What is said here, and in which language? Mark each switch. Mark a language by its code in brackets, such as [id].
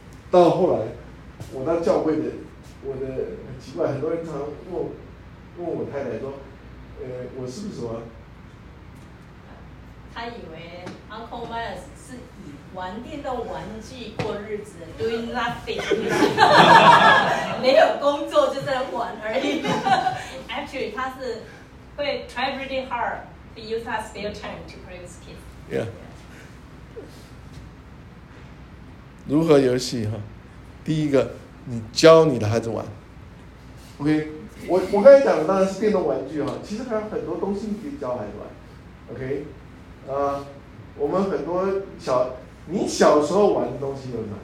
[zh] 到后来，我到教会的，我的很奇怪，很多人常问我太太说，我是不是什么？他以为 Uncle Miles 是以玩电动玩具过日子 ， [en] doing nothing， [zh] 没有工作就在玩而已。 [en] Actually， [zh] 他是会 [en] try really hard to use his spare time to play with kids。 Yeah。 [zh] 如何游戏哈？第一个，你教你的孩子玩。 OK， 我刚才讲的当然是电动玩具哈，其实还有很多东西你可以教孩子玩。 OK， 我们很多你小时候玩的东西有什么？